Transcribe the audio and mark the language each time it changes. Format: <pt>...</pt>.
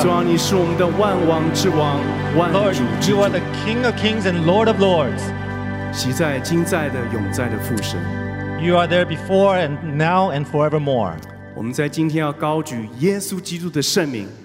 <zh>主啊，你是我们的万王之王，万主之主。</zh> <en>You are the King of Kings and Lord of Lords.</en> <zh>昔在今在的永在的父神，</zh> <en>You are there before and now and forevermore.</en> <zh>我们在今天要高举耶稣基督的圣名。</zh>